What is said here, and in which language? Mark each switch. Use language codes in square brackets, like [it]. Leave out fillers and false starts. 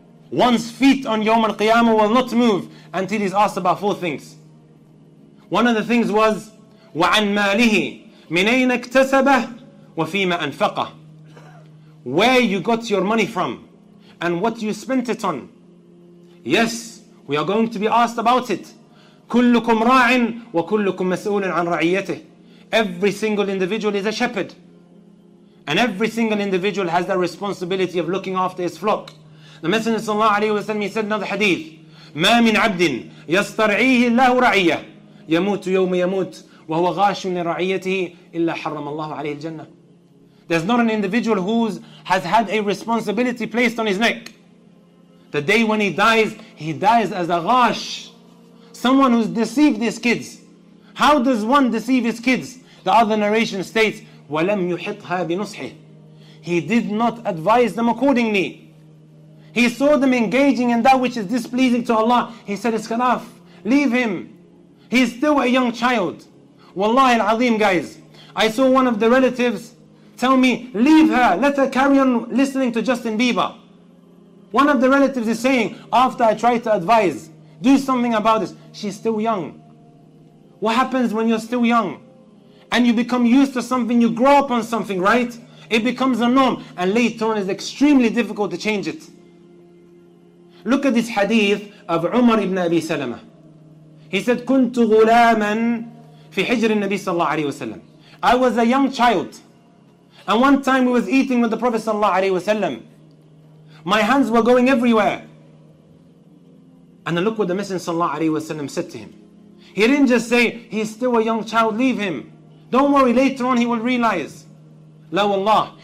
[en] One's feet on Yawm al-Qiyamah will not move until he's asked about four things. One of the things was, [ar] وعن ماله من أين اكتسبه وفيما أنفقه. [en] Where you got your money from, and what you spent it on. Yes, we are going to be asked about it. [ar] كلكم راع وكلكم مسؤول عن رعيته. [en] Every single individual is a shepherd. And every single individual has the responsibility of looking after his flock. The Messenger sallallahu alayhi wa sallam, he said another hadith. [ar] ما من عبد يسترعيه الله رعية يموت يوم يموت وهو غاش لرعيته إلا حرم الله عليه الجنة. [en] There's not an individual who has had a responsibility placed on his neck. The day when he dies as a ghash. Someone who's deceived his kids. How does one deceive his kids? The other narration states, [ar] وَلَمْ يُحِطْهَا بِنُصْحِهِ. [en] He did not advise them accordingly. He saw them engaging in that which is displeasing to Allah. He said, Iskalaf, leave him. He's still a young child. Wallahi al-Azim, guys. I saw one of the relatives tell me, leave her, let her carry on listening to Justin Bieber. One of the relatives is saying, after I tried to advise, do something about this, she's still young. What happens when you're still young? And you become used to something, you grow up on something, right? It becomes a norm, and later on it's extremely difficult to change it. Look at this hadith of Umar ibn Abi Salama. He said, [ar] كنت غلاما في حجر النبي صلى الله عليه وسلم. [en] I was a young child. And one time we was eating with the Prophet sallallahu alayhi wasallam. My hands were going everywhere. And then look what the Messenger sallallahu alayhi wasallam said to him. He didn't just say, he's still a young child, leave him. Don't worry, later on he will realize. La wallah.